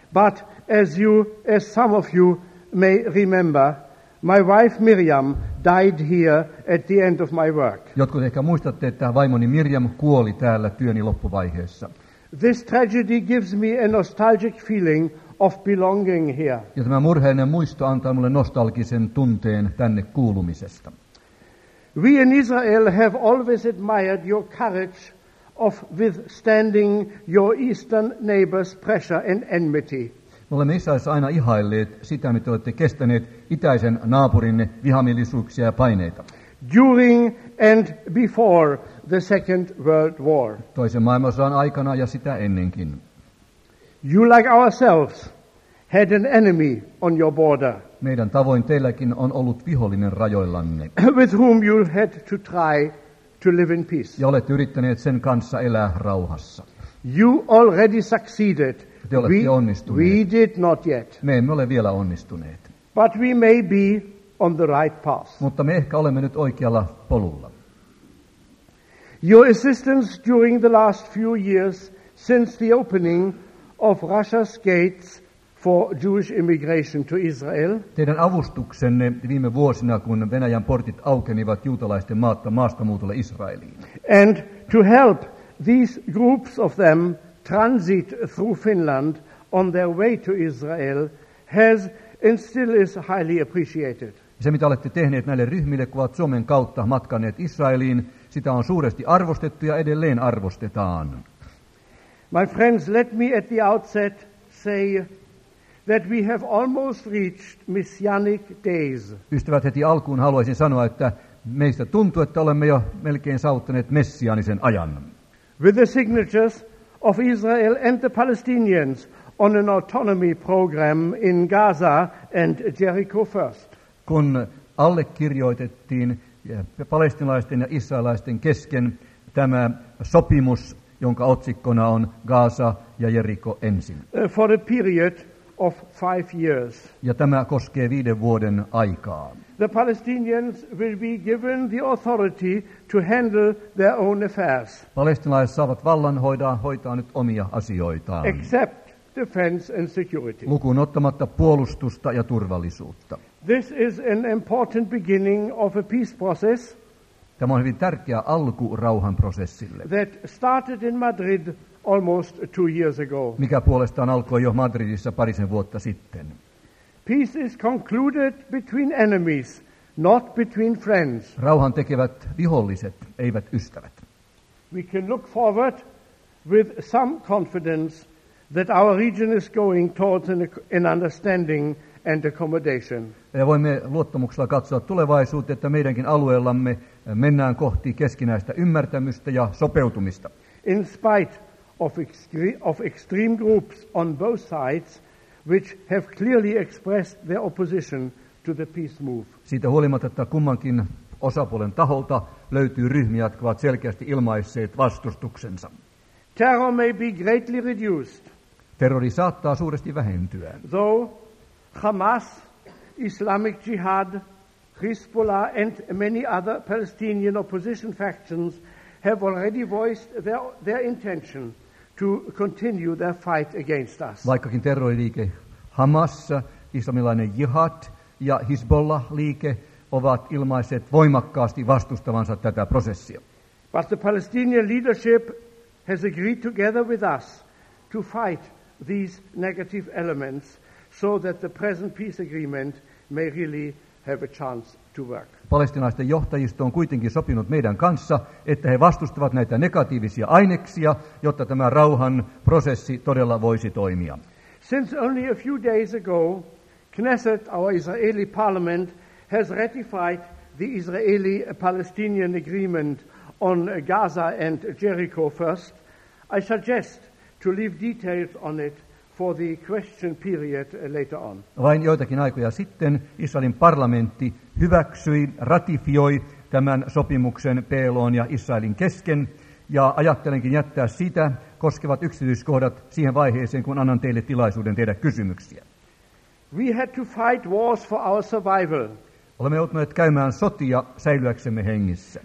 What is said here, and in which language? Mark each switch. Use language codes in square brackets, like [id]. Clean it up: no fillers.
[en] But as some of you may remember, my wife Miriam died here at the end of my work. [fi] Jotkut ehkä muistatte, että vaimoni Miriam kuoli täällä työni loppuvaiheessa. [en] This tragedy gives me a nostalgic feeling of belonging here. [fi] Ja tämä murheinen muisto antaa mulle nostalgisen tunteen tänne kuulumisesta. [en] We in Israel have always admired your courage of withstanding your eastern neighbor's pressure and enmity. [fi] Me olemme Israelissa aina ihailleet sitä, mitä olette kestäneet itäisen naapurinne vihamielisuuksia ja paineita. [en] During and before the Second World War. [fi] Toisen maailmansodan aikana ja sitä ennenkin. [en] You like ourselves had an enemy on your border. [fi] Meidän tavoin teilläkin on ollut vihollinen rajoillanne. [en] With whom you had to try to live in peace. [fi] Ja olette yrittäneet sen kanssa elää rauhassa. [en] You already succeeded. [fi] Te olette onnistuneet. [en] We did not yet. [fi] Me emme ole vielä onnistuneet. [en] But we may be on the right path. [fi] Mutta me ehkä olemme nyt oikealla polulla. [en] Your assistance during the last few years since the opening of Russia's gates for Jewish immigration to Israel. [fi] Teidän avustuksenne viime vuosina, kun Venäjän portit aukenivat juutalaisten maastamuutolle Israeliin. [en] And to help these groups of them transit through Finland on their way to Israel has and still is highly appreciated. [fi] Se, mitä olette tehneet näille ryhmille, kun ovat Suomen kautta matkanneet Israeliin, sitä on suuresti arvostettu ja edelleen arvostetaan. [en] My friends, let me at the outset say that we have almost reached messianic days. [fi] Ystävät, heti alkuun haluaisin sanoa, että meistä tuntuu, että olemme jo melkein saavuttaneet messiaanisen ajan. [en] With the signatures of Israel and the Palestinians on an autonomy program in Gaza and Jericho first. [fi] Kun allekirjoitettiin palestinalaisten ja israelaisten kesken tämä sopimus, jonka otsikkona on Gaza ja Jeriko ensin. [en] For a period of 5 years. [fi] Ja tämä koskee 5 vuoden aikaa. [en] The Palestinians will be given the authority to handle their own affairs. [fi] Palestinalaiset saavat vallan hoitaa nyt omia asioitaan. [en] Except defense and security. [fi] Lukuun ottamatta puolustusta ja turvallisuutta. [en] This is an important beginning of a peace process. [fi] Tämä on hyvin tärkeä alku rauhan prosessille. [en] That started in Madrid almost 2 years ago. [fi] Mikä puolestaan alkoi jo Madridissa parisen vuotta sitten. [en] Peace is concluded between enemies, not between friends. [fi] Rauhan tekevät viholliset, eivät ystävät. [en] We can look forward with some confidence that our region is going towards an understanding and accommodation. [fi] Ja voimme luottamuksella katsoa tulevaisuuteen, että meidänkin alueellamme mennään kohti keskinäistä ymmärtämystä ja sopeutumista. [en] In spite of extreme groups on both sides, which have clearly expressed their opposition to the peace move. [fi] Siitä huolimatta, että kummankin osapuolen taholta löytyy ryhmiä, jotka ovat selkeästi ilmaisseet vastustuksensa. [en] Terror may be greatly reduced. [fi] Terrori saattaa suuresti vähentyä. [en] Though Hamas, Islamic Jihad, Hezbollah and many other Palestinian opposition factions have already voiced their intention to continue their fight against us. [fi] Vaikkakin terroriliike Hamas, islamilainen jihad ja Hezbollah-liike ovat ilmaisseet voimakkaasti vastustavansa tätä prosessia. [en] But the Palestinian leadership has agreed together with us to fight these negative elements so that the present peace agreement may really have a chance to work. [fi] Palestinaisten johtajisto on kuitenkin sopinut meidän kanssa, että he vastustavat näitä negatiivisia aineksia, jotta tämä rauhan prosessi todella voisi toimia. [en] Since only a few days ago, Knesset, our Israeli parliament, has ratified the Israeli-Palestinian agreement on Gaza and Jericho first, I suggest to leave details on it for the question period later on. [fi] Vain joitakin aikoja sitten Israelin parlamentti hyväksyi, ratifioi tämän sopimuksen PLO:n ja Israelin kesken, ja ajattelenkin jättää sitä koskevat yksityiskohdat siihen vaiheeseen, kun annan teille tilaisuuden tehdä kysymyksiä. [en] We had to fight wars for our survival. [fi] Olemme joutuneet käymään sotia säilyäksemme hengissä.